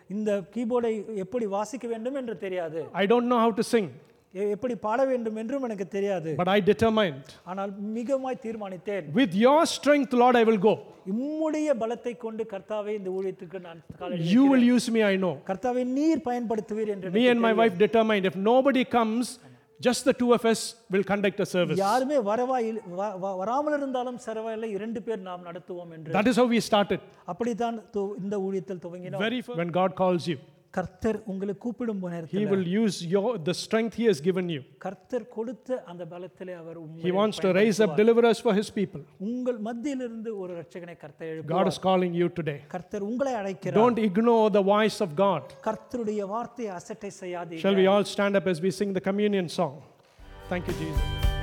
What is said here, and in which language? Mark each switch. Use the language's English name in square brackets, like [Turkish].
[Tamil] இந்த கீபோர்டை எப்படி வாசிக்க வேண்டும் என்று தெரியாது [English] I don't know how to sing [Tamil] எப்படி பாட வேண்டும் என்றும் எனக்கு தெரியாது [English] but I determined [Tamil] ஆனால் மிகவும்மாய் தீர்மானித்தேன் [English] with your strength lord I will go [Tamil] உம்முடைய பலத்தை கொண்டு கர்த்தாவே இந்த ஊழியத்துக்கு நான் [English] காலடி you will use me I know [Tamil] கர்த்தாவே நீர் பயன்படுத்துவீர் என்று [English] me and my wife determined if nobody comes just the two of us will conduct a service [Tamil] யாருமே வரவா வராமல இருந்தாலும் சர்வையில இரண்டு பேர் நாம் நடத்துவோம் என்று [English] that is how we started [Tamil] அப்படி தான் இந்த ஊழியத்தில் துவங்கினோம் [English] when god calls you [Tamil] கர்த்தர் உங்களை கூப்பிடும் நேரத்தில் [English] He will use your the strength he has given you. [Tamil] கர்த்தர் கொடுத்த அந்த பலத்திலே அவர் உம்மை [English] He wants to raise up deliverers for his people. [Tamil] உங்கள் மத்தியிலிருந்து ஒரு இரட்சகனை கர்த்தர் எழுப்புவார். [English] God is calling you today. [Tamil] கர்த்தர் உங்களை அழைக்கிறார். [English] Don't ignore the voice of God. [Tamil] கர்த்தருடைய வார்த்தையை அசட்டை செய்யாதீர்கள். [English] Shall we all stand up as we sing the communion song? Thank you Jesus.